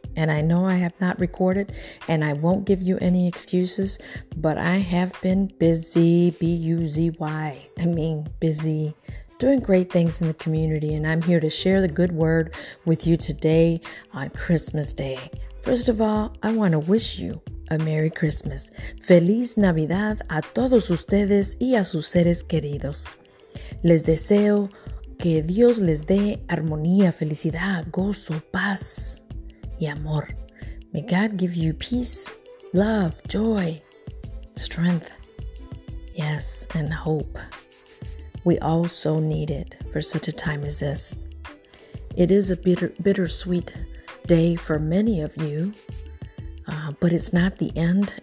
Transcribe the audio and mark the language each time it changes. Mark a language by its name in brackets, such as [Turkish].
[English] And I know I have not recorded and I won't give you any excuses, but I have been busy, B-U-Z-Y. I mean, busy doing great things in the community. And I'm here to share the good word with you today on Christmas Day. First of all, I want to wish you a Merry Christmas. [Spanish] Feliz Navidad a todos ustedes y a sus seres queridos. Les deseo que Dios les dé armonía, felicidad, gozo, paz y amor. [English] May God give you peace, love, joy, strength, yes, and hope. We also need it for such a time as this. It is a bittersweet day for many of you, but it's not the end.